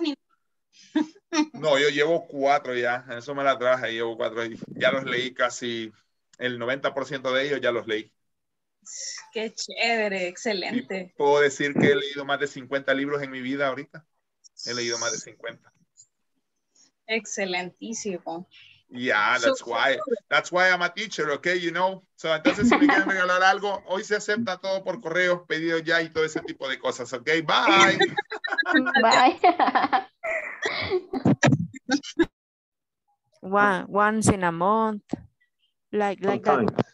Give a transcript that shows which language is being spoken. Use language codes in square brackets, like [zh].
[es] niveles. No, yo llevo cuatro ya, en eso me la traje, llevo cuatro y ya los leí casi, el 90% de ellos ya los leí. Qué chévere, excelente. Y puedo decir que he leído más de 50 libros en mi vida ahorita, he leído más de 50. Excelentísimo. [en] Yeah, that's why I'm a teacher, okay, you know. [es] So, entonces, si me quieren regalar algo, hoy se acepta todo por correo, pedido ya y todo ese tipo de cosas, okay. [en] Bye. Bye. Once in a month, like sometimes.